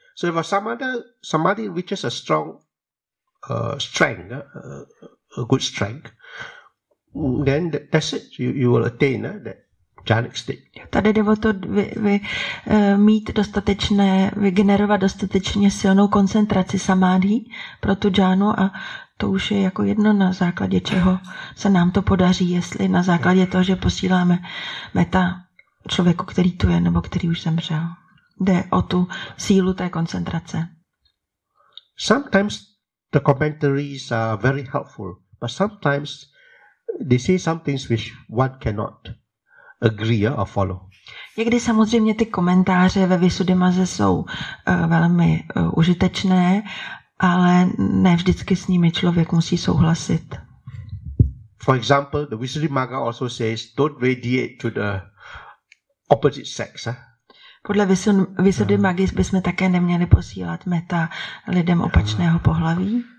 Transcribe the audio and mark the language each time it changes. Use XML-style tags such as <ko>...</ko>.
<en>So if a samadhi reaches a strong strength, a good strength, then that's it, you will attain that.</en> <cs>Tady jde o to mít dostatečné, vygenerovat dostatečně silnou koncentraci samádhi pro tu džánu a to už je jako jedno na základě čeho se nám to podaří, jestli na základě toho, že posíláme meta člověku, který tu je nebo který už zemřel. Jde o tu sílu té koncentrace.</cs> <en>Sometimes the commentaries are very helpful, but sometimes they say some things which one cannot agree or follow.</en> <cs>Někdy samozřejmě ty komentáře ve Visuddhimagge jsou velmi užitečné, ale ne vždycky s nimi člověk musí souhlasit.</cs> <en>For example, the Visuddhimagga also says don't radiate to the opposite sex.</en> <cs>Podle Visuddhimaggy bychom také neměli posílat meta lidem opačného pohlaví.</cs>